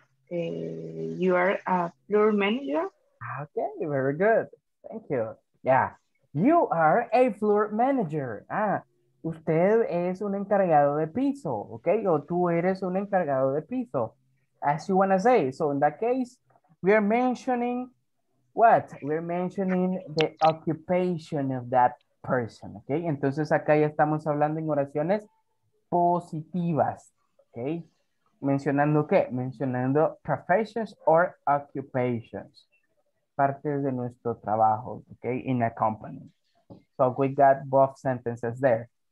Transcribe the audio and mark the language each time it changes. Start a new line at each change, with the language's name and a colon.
English: You are a floor manager. Okay, very good. Thank you. Yeah. You are a floor manager.
Spanish: Ah, usted es un encargado de piso. Okay, o tú eres un encargado de piso.
English: As you want to say. So in that case, we are mentioning what? We're mentioning the occupation of that person, okay?
Spanish: Entonces acá ya estamos hablando en oraciones positivas, okay? ¿Mencionando qué? Mencionando
English: professions or occupations.
Spanish: Partes de nuestro trabajo,
English: okay? In a company. So we got both sentences there.